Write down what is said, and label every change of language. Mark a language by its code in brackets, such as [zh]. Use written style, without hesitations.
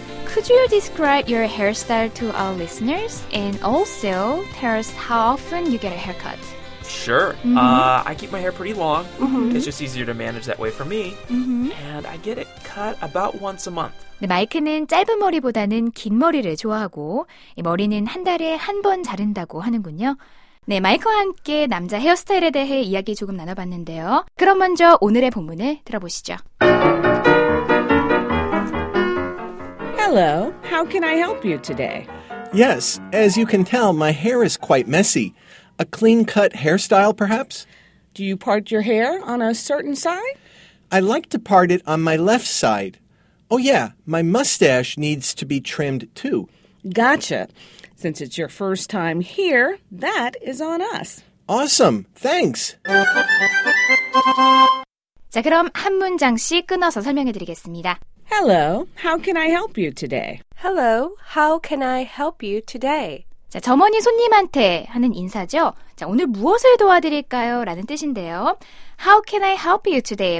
[en] Could you describe your hairstyle to our listeners and also tell us how often you get a haircut? Sure. Mm-hmm. I keep my hair pretty long. Mm-hmm. It's just easier to manage that way for me. Mm-hmm. And I get it cut about once a month. [ko] 네, 마이크는 짧은 머리보다는 긴 머리를 좋아하고 이 머리는 한 달에 한 번 자른다고 하는군요. 네, 마이크와 함께 남자 헤어스타일에 대해 이야기 조금 나눠봤는데요. 그럼 먼저 오늘의 본문을 들어보시죠. [en] Hello, how can I help you today? Yes, as you can tell, my hair is quite messy. A clean-cut hairstyle, perhaps? Do you part your hair on a certain side? I like to part it on my left side. Oh yeah, my mustache needs to be trimmed too. Gotcha. Since it's your first time here, that is on us. Awesome, thanks. [ko] 자, 그럼 한 문장씩 끊어서 설명해 드리겠습니다. [en] Hello, how can I help you today? Hello, how can I help you today? [ko] 자, 점원이 손님한테 하는 인사죠. 자, 오늘 무엇을 도와드릴까요? 라는 뜻인데요. [en] How can I help you today?